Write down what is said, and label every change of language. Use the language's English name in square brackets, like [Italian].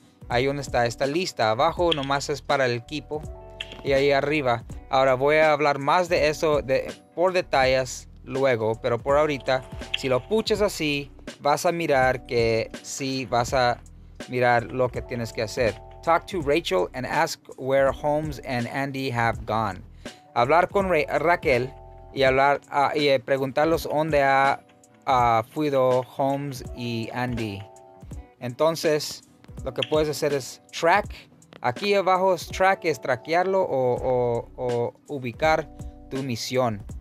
[Spanish] Ahí donde está esta lista. Abajo nomás es para el equipo. Y ahí arriba. Ahora voy a hablar más de eso por detalles luego. Pero por ahorita, si lo puchas así, vas a mirar que sí, vas a mirar lo que tienes que hacer. [English] Talk to Rachel and ask where Holmes and Andy have gone. [Spanish] Hablar con Raquel y hablar y preguntarlos dónde ha fuido Holmes y Andy. Entonces, lo que puedes hacer es track. Aquí abajo es track, es traquearlo o ubicar tu misión.